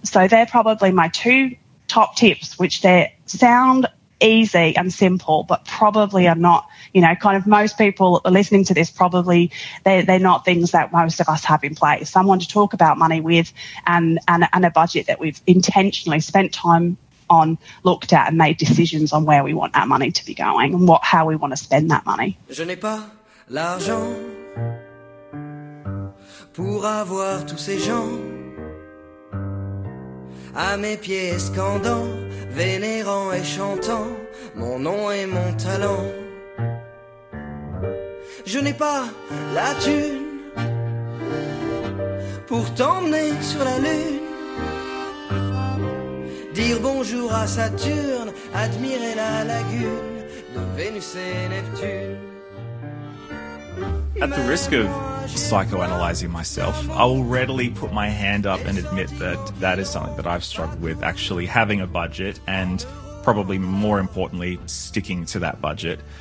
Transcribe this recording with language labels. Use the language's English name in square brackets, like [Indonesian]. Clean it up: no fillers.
[English] So they're probably my two top tips, which they sound easy and simple, but probably are not, you know, kind of most people listening to this, probably they're not things that most of us have in place. Someone to talk about money with and a budget that we've intentionally spent time on, looked at and made decisions on where we want our money to be going and what, how we want to spend that money. [French] Je n'ai pas l'argent pour avoir tous ces gens à mes pieds scandant, vénérant et chantant mon nom et mon talent. Je n'ai pas la thune pour t'emmener sur la lune, dire bonjour à Saturne, admirer la lagune de Vénus et Neptune. [English] At the risk of psychoanalyzing myself, I will readily put my hand up and admit that that is something that I've struggled with, actually having a budget and probably more importantly, sticking to that budget.